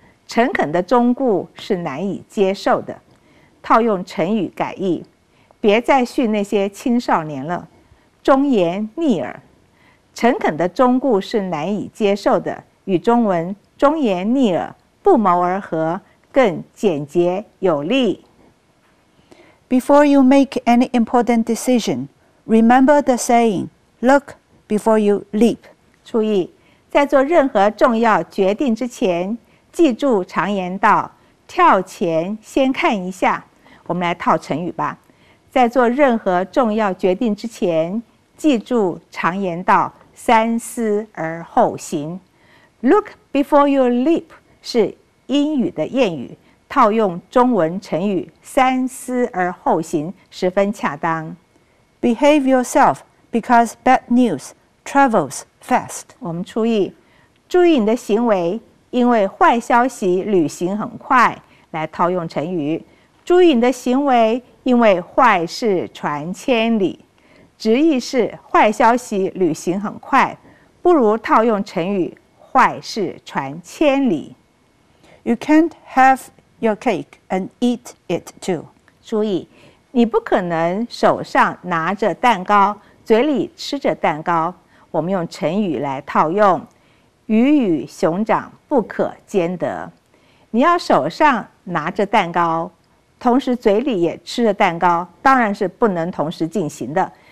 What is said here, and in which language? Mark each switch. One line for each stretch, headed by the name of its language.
Chinese: 诚恳的忠告是难以接受的。套用成语改义，别再训那些青少年了。忠言逆耳。诚恳的忠告是难以接受的，与中文忠言逆耳不谋而合，更简洁有力。
English: Before you make any important decision, remember the saying, look before you leap.
Chinese: 注意，在做任何重要决定之前，记住常言道，跳前先看一下。我们来套成语吧。在做任何重要决定之前，记住常言道，三思而后行。
English: Look before you leap
Chinese: 是英语的谚语，套用中文成语三思而后行十分恰当。
English: Behave yourself because bad news travels fast.
Chinese: 我们注意，注意你的行为，因为坏消息旅行很快。来套用成语，注意你的行为，因为坏事传千里。直译是坏消息旅行很快，不如套用成语坏事传千里。
English: You can't have your cake and eat it too.
Chinese: 注意，你不可能手上拿着蛋糕，嘴里吃着蛋糕。我们用成语来套用，鱼与熊掌不可兼得。你要手上拿着蛋糕，同时嘴里也吃着蛋糕，当然是不能同时进行的。